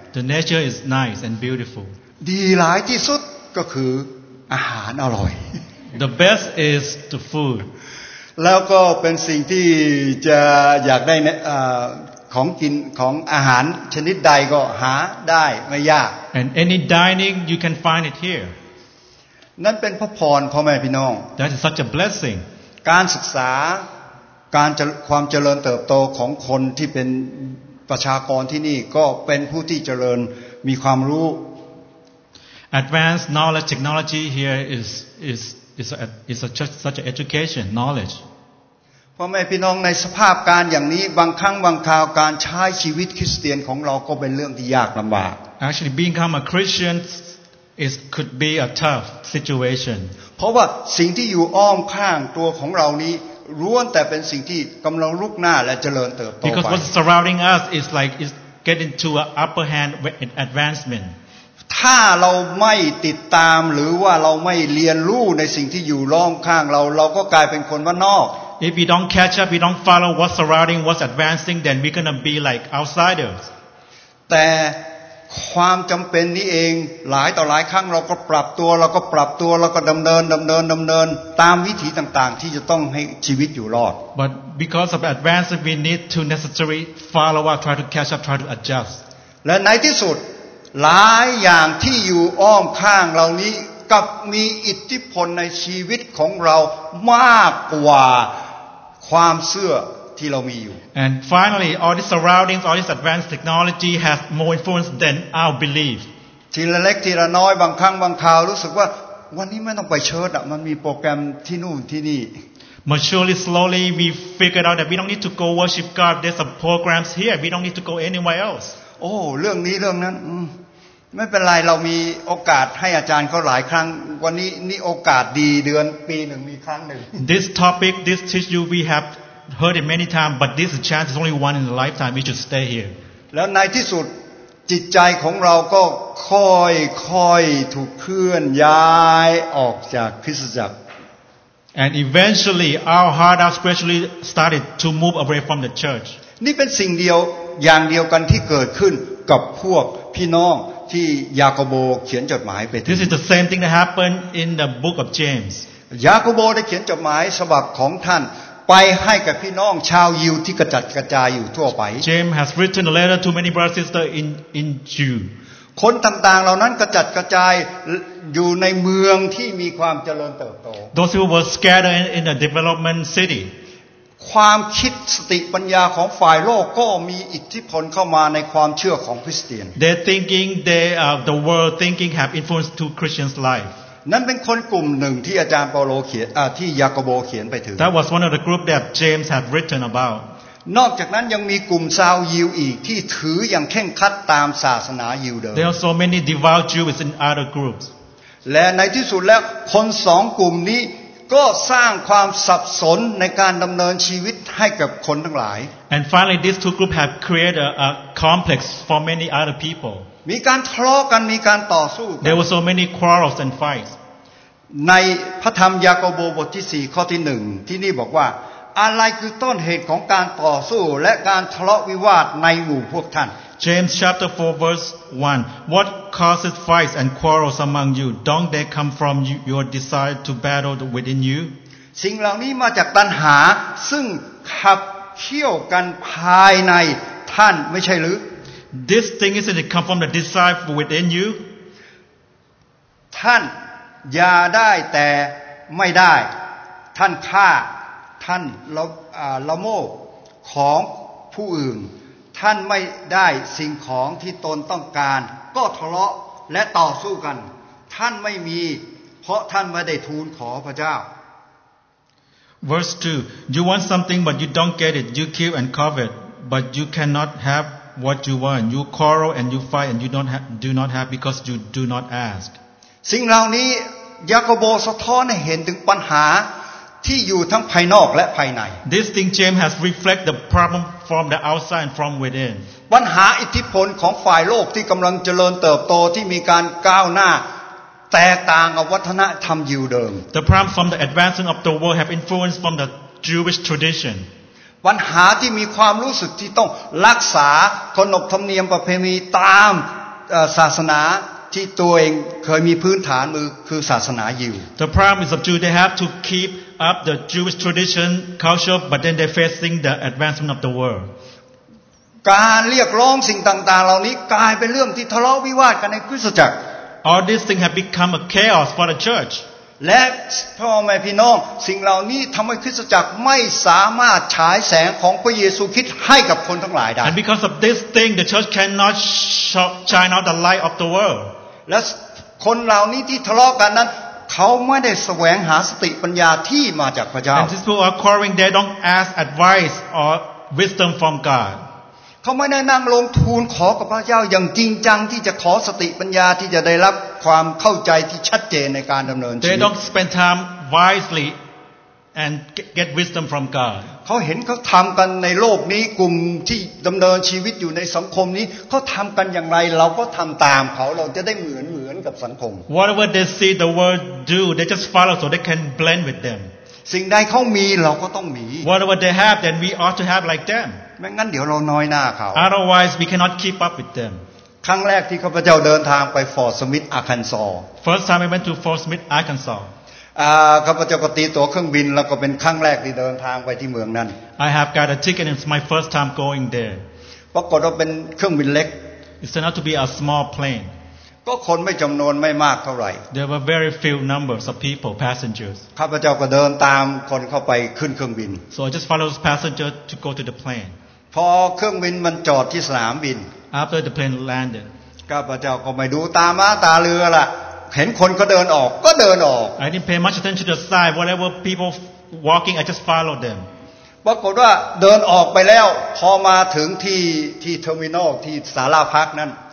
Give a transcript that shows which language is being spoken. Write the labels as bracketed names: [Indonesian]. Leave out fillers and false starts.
[English] The nature is nice and beautiful [Thai] ดีหลายที่สุดก็คืออาหารอร่อย [English] The best is the food [Thai] แล้วก็เป็นสิ่งที่จะอยากได้ของกินของอาหารชนิดใดก็หาได้ไม่ยาก [English] And any dining you can find it here [Thai] นั่นเป็นพระพรพ่อแม่พี่น้อง [English] That's such a blessing [Thai] การศึกษาการความเจริญเติบโตของคนที่เป็นประชากรที่นี่ก็เป็นผู้ที่เจริญมีความรู้ [English] Advanced knowledge technology here is such an education knowledge [Thai] พ่อแม่พี่น้องในสภาพการอย่างนี้บางครั้งบางคราวการใช้ชีวิตคริสเตียนของเราก็เป็นเรื่องที่ยากลำบาก [English] Actually become a Christian is could be a tough situation [Thai] เพราะว่าสิ่งที่อยู่อ้อมข้างตัวของเรานี้ล้วนแต่เป็นสิ่งที่กำลังรุกหน้าและเจริญเติบโตไป [English] Because what's surrounding us is like is getting to an upper hand in advancement [Thai] ถ้าเราไม่ติดตามหรือว่าเราไม่เรียนรู้ในสิ่งที่อยู่รอบข้างเราก็กลายเป็นคนว่านอก [English] If we don't catch up we don't follow what's surrounding what's advancing then we're going to be like outsiders [Thai] แต่ความจําเป็นนี้เองหลายต่อหลายครั้งเราก็ปรับตัวแล้วก็ดําเนินตามวิธีต่างๆที่จะต้องให้ชีวิตอยู่รอด [English] But because of advancement we need to necessary follow up try to catch up try to adjust [Thai] และในที่สุดหลายอย่างที่อยู่อ้อมข้างเรานี้กับมีอิทธิพลในชีวิตของเรามากกว่าความเชื่อที่เรามีอยู่ [English] And finally all these surroundings all this advanced technology has more influence than our belief [Thai] ทีละเล็กทีละน้อยบางครั้งบางคราวรู้สึกว่าวันนี้ไม่ต้องไปเชิญอ่ะมันมีโปรแกรมที่นู่นที่นี่ [English] But surely slowly we figured out that we don't need to go worship God there's some programs here we don't need to go anywhere else [Thai] โอ้เรื่องนี้เรื่องนั้นไม่เป็นไรเรามีโอกาสให้อาจารย์เขาหลายครั้งวันนี้นี่โอกาสดีเดือนปีหนึ่งมีครั้งหนึ่ง [English] This topic this issue we have heard it many times but this chance is only one in a lifetime we should stay here [Thai] แล้วในที่สุดจิตใจของเราก็ค่อยถูกเคลื่อนย้ายออกจากคริสตจักร [English] And eventually our heart our spiritually started to move away from the church [Thai] นี่เป็นสิ่งเดียวอย่างเดียวกันที่เกิดขึ้นกับพวกพี่น้องที่ยาโคบเขียนจดหมายไปถึง [English] This is the same thing that happened in the book of James [Thai] ยาโคโบได้เขียนจดหมายฉบับของท่านไปให้กับพี่น้องชาวยิวที่กระจัดกระจายอยู่ทั่วไป [English] James has written a letter to many brothers and sisters in Jew [Thai] คนต่างๆเหล่านั้นกระจัดกระจายอยู่ในเมืองที่มีความเจริญเติบโต [English] Those who were scattered in a development city [Thai] ความคิดสติปัญญาของฝ่ายโลกก็มีอิทธิพลเข้ามาในความเชื่อของคริสเตียน [English] They thinking they the world thinking have influence to Christians life [Thai] นั่นเป็นคนกลุ่มหนึ่งที่อาจารย์เปาโลเขียนที่ยาโคโบเขียนไปถึง [English] That was one of the group that James had written about [Thai] นอกจากนั้นยังมีกลุ่มชาวยิวอีกที่ถืออย่างเคร่งครัดตามศาสนายิวเดิม [English] There are so many devout Jews in other groups [Thai] และในที่สุดแล้วคน2กลุ่มนี้ก็สร้างความสับสนในการดำเนินชีวิตให้กับคนทั้งหลาย [English] And finally these two groups have created a complex for many other people [Thai] มีการทะเลาะกันมีการต่อสู้ [English] There were so many quarrels and fights [Thai] ในพระธรรมยาโคโบบทที่4ข้อที่1ที่นี่บอกว่าอะไรคือต้นเหตุของการต่อสู้และการทะเลาะวิวาทในหมู่พวกท่าน [English] James chapter 4 verse 1 What causes fights and quarrels among you? Don't they come from your desire to battle within you? [Thai] สิ่งเหล่านี้มาจากตัณหาซึ่งขับเคี่ยวกันภายในท่านไม่ใช่หรือ [English] This thing isn't it come from the desire within you? [Thai] ท่านอย่าได้แต่ไม่ได้ท่านฆ่าท่านละโมบของผู้อื่นท่านไม่ได้สิ่งของที่ตนต้องการก็ทะเลาะและต่อสู้กันท่านไม่มีเพราะท่านไม่ได้ทูลขอพระเจ้า [English] Verse 2 You want something but you don't get it you kill and covet but you cannot have what you want you quarrel and you fight and you do not have because you do not ask [Thai] สิ่งเหล่านี้ยาโคโบสะท้อนให้เห็นถึงปัญหาที่อยู่ทั้งภายนอกและภายใน [English] This thing James has reflected the problem from the outside and from within [Thai] ปัญหาอิทธิพลของฝ่ายโลกที่กำลังเจริญเติบโตที่มีการก้าวหน้าแตกต่างกับวัฒนธรรมยิวเดิม [English] The problem from the advancing of the world have influence from the Jewish tradition [Thai] ปัญหาที่มีความรู้สึกที่ต้องรักษาขนบธรรมเนียมประเพณีตามศาสนาที่ตัวเองเคยมีพื้นฐานมือคือศาสนายิว [English] The problem is of Jews they have to keep up the Jewish tradition culture but then they facing the advancement of the world [Thai] การเรียกร้องสิ่งต่างๆเหล่านี้กลายเป็นเรื่องที่ทะเลาะวิวาทกันในคริสตจักร [English] All these things have become a chaos for the church [Thai] และพ่อแม่พี่น้องสิ่งเหล่านี้ทำให้คริสตจักรไม่สามารถฉายแสงของพระเยซูคริสต์ให้กับคนทั้งหลายได้ [English] And because of this thing the church cannot shine out the light of the world [Thai] และคนเหล่านี้ที่ทะเลาะกันนั้นเขาไม่ได้แสวงหาสติปัญญาที่มาจากพระเจ้า [English] And these people are quarreling they don't ask advice or wisdom from God [Thai] เขาไม่ได้นั่งลงทูลขอกับพระเจ้าอย่างจริงจังที่จะขอสติปัญญาที่จะได้รับความเข้าใจที่ชัดเจนในการดำเนินชีวิต [English] They don't spend time wisely and get wisdom from God [Thai] เขาเห็นเขาทำกันในโลกนี้กลุ่มที่ดำเนินชีวิตอยู่ในสังคมนี้เขาทำกันอย่างไรเราก็ทำตามเขาเราจะได้เหมือนกับสังคม [English] Whatever they see the world do they just follow so they can blend with them [Thai] สิ่งใดเขามีเราก็ต้องมี [English] Whatever they have then we ought to have like them [Thai] ไม่งั้นเดี๋ยวเราน้อยหน้าเขา [English] Otherwise we cannot keep up with them [Thai] ครั้งแรกที่ข้าพเจ้าเดินทางไปฟอร์ตสมิธอาร์คันซอ [English] First time I went to Fort Smith Arkansas [Thai] ข้าพเจ้าก็ตีตั๋วเครื่องบินแล้วก็เป็นครั้งแรกที่เดินทางไปที่เมืองนั้น [English] I have got a ticket and it's my first time going there [Thai] ปรากฏว่าเป็นเครื่องบินเล็ก [English] It turned out to be a small plane [Thai] ก็คนไม่จำนวนไม่มากเท่าไหร่ [English] There were very few numbers of people passengers [Thai] ข้าพเจ้าก็เดินตามคนเข้าไปขึ้นเครื่องบิน [English] So I just followed the passenger to go to the plane [Thai] พอเครื่องบินมันจอดที่สนามบิน [English] After the plane landed [Thai] ข้าพเจ้าก็ไม่ดูตาม้าตาเรือละเห็นคนก็เดินออกก็เดินออก [English] I didn't pay much attention to the sign whatever people walking I just followed them [Thai] ปรากฏว่าเดินออกไปแล้วพอมาถึงที่เทอร์มินอลที่ศาลาพักนั้น